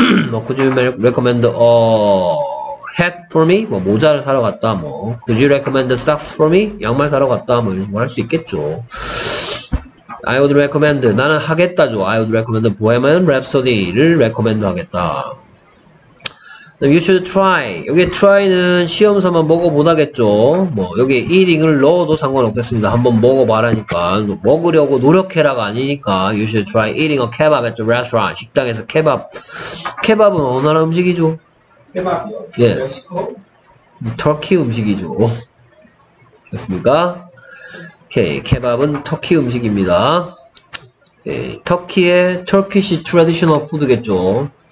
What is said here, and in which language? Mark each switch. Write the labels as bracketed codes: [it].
[en] 뭐, could you recommend a hat for me? [ko] 뭐 모자를 사러 갔다 뭐. [en] Could you recommend the socks for me? [ko] 양말 사러 갔다 뭐 이런 거 할 수 있겠죠. [en] I would recommend. [ko] 나는 하겠다죠. [en] I would recommend Bohemian Rhapsody를 recommend 하겠다. You should try. [ko] 여기 try는 시험서만 먹어보나겠죠. 뭐 여기 eating을 넣어도 상관없겠습니다. 한번 먹어봐라니까. 먹으려고 노력해라가 아니니까. [en] You should try eating a kebab at the restaurant. [ko] 식당에서 kebab. 케밥은 어느 나라 음식이죠? 케밥이요. 예. 멕시코? 터키 음식이죠. 됐습니까? 오케이. 케밥은 터키 음식입니다. 오케이. 터키의 터키시 트래디셔널 푸드겠죠.